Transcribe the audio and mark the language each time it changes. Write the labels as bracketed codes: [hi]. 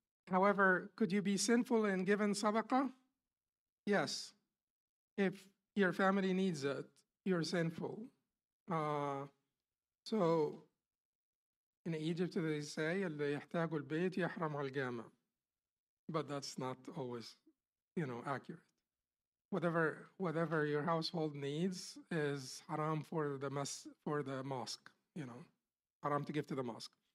[en] However, could you be sinful in giving sadaqah? Yes. If your family needs it, you're sinful. So in Egypt, they say, [ar] اللي يحتاج البيت يحرم على الجامع. [en] But that's not always, accurate. Whatever your household needs is haram for the mosque, haram to give to the mosque.